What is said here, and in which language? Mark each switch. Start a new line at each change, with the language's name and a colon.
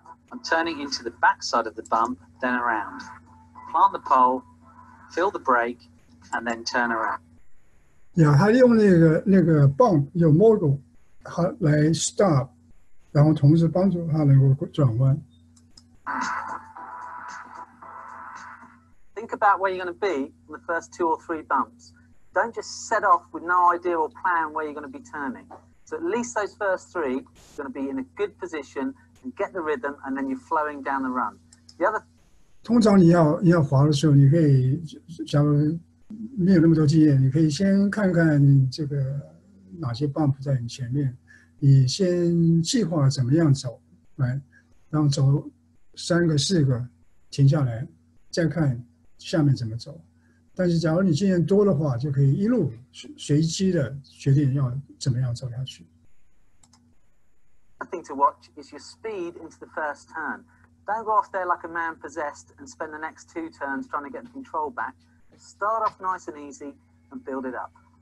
English: I'm turning into the back side of the bump, then around. Plant the pole, feel the brake, and then turn around.
Chinese: Yeah, 他用那个 bump 有 model 来 stop. 然后同时帮助他能够转弯。
English: Think about where you're going to be in the first two or three bumps. Don't just set off with no idea or plan where you're going to be turning. So at least those first three, you're going to be in a good position and get the rhythm, and then you're flowing down the run. The other,
Chinese: 通常你要滑的时候，你可以，假如没有那么多经验，你可以先看看这个哪些 bump 在你前面。你先计划怎么样走，来，然后走三个四个，停下来，再看下面怎么走。但是，假如你经验多的话，就可以一路随机的决定要怎么样走下去。
English: Nothing to watch is your speed into the first turn. Don't go off there like a man possessed and spend the next two turns trying to get the control back. Start off nice and easy and build it up.